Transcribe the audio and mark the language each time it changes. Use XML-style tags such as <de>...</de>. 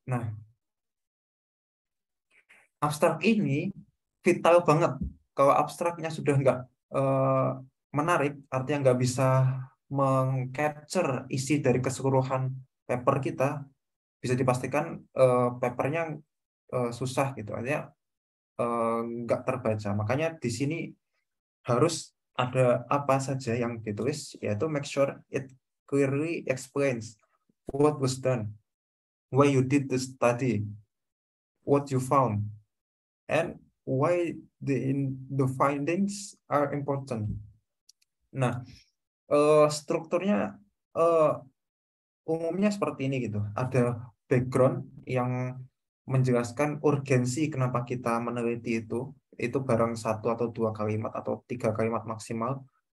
<id>Nah, abstrak ini vital banget. Kalau abstraknya sudah nggak menarik, artinya nggak bisa mengcapture isi dari keseluruhan paper kita, bisa dipastikan papernya susah gitu. Artinya nggak terbaca. Makanya di sini harus ada apa saja yang ditulis, yaitu</id> <en>make sure it clearly explains what was done, why you did the study, what you found, and why the findings are important.</en> <id>Nah, strukturnya umumnya seperti ini gitu. Ada background yang menjelaskan urgensi kenapa kita meneliti itu barang satu atau dua kalimat atau tiga kalimat maksimal.</id>